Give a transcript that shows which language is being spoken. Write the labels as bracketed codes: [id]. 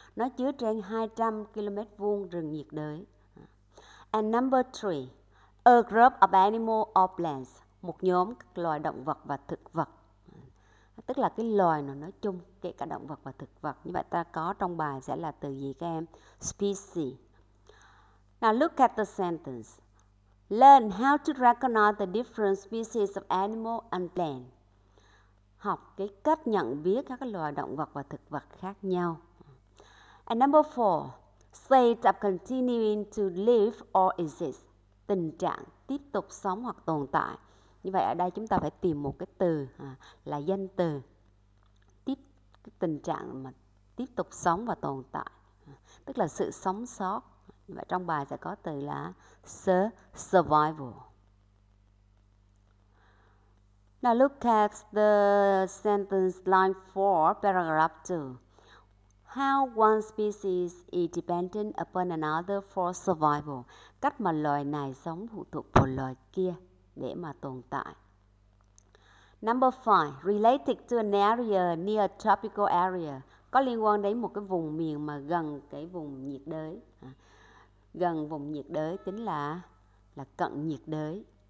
[vi] Nó chứa trên 200 km vuông rừng nhiệt đới. [en] And number 3, a group of animals or plants. [vi] Một nhóm các loài động vật và thực vật. Tức là cái loài nó nói chung, kể cả động vật và thực vật. Như vậy ta có trong bài sẽ là từ gì các em? [en] Species. Now look at the sentence. Learn how to recognize the different species of animal and plant. [vi] Học cái cách nhận biết các loài động vật và thực vật khác nhau. [en] And number 4, state of continuing to live or exist. [vi] Tình trạng tiếp tục sống hoặc tồn tại. Như vậy ở đây chúng ta phải tìm một cái từ là danh từ. Tiếp cái tình trạng mà tiếp tục sống và tồn tại. Tức là sự sống sót. Và trong bài sẽ có từ là survival. [en] Now look at the sentence line 4, paragraph 2. How one species is dependent upon another for survival. [vi] Cách mà loài này sống phụ thuộc vào loài kia để mà tồn tại. [en] Number 5, related to an area near a tropical area. [vi] Có liên quan đến một cái vùng miền mà gần cái vùng nhiệt đới. Gần vùng nhiệt đới chính là cận nhiệt đới.